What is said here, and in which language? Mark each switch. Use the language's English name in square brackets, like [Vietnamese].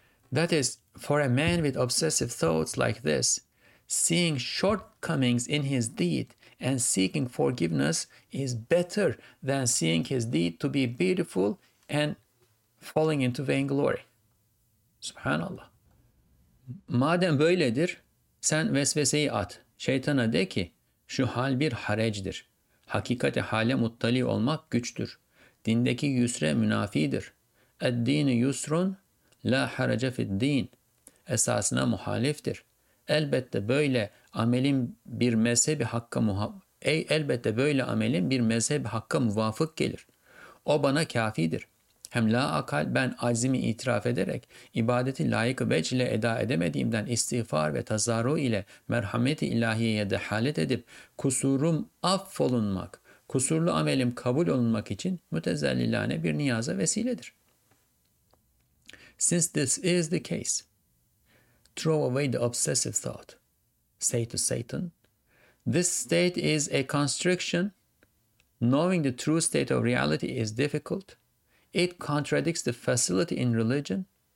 [English] That is, for a man with obsessive thoughts like this, seeing shortcomings in his deed and seeking forgiveness is better than seeing his deed to be beautiful and falling into vainglory. [Arabic] Subhanallah. [Turkish] Madem böyledir, sen vesveseyi at. Şeytana de ki, şu hal bir harecdir. Hakikati hale muttali olmak güçtür. Dindeki yüsre münafidir. [Arabic] Ed-dini yusrun, la harece fid-din. [Turkish] Esasına muhaliftir. Elbette böyle amelin bir mezhebi hakka elbette böyle amelin bir mezhebi hakka muvafık gelir. O bana kafidir. Hem la akal ben aczimi itiraf ederek ibadeti layıkı vec ile eda edemediğimden istiğfar ve tazarru ile merhameti ilahiyeye dehalet edip kusurum affolunmak, kusurlu amelim kabul olunmak için mütezellilane bir niyaza vesiledir. [English] Since this is the case, throw away the obsessive thought. Say to Satan, this state is a constriction. Knowing the true state of reality is difficult. It contradicts the facility in religion.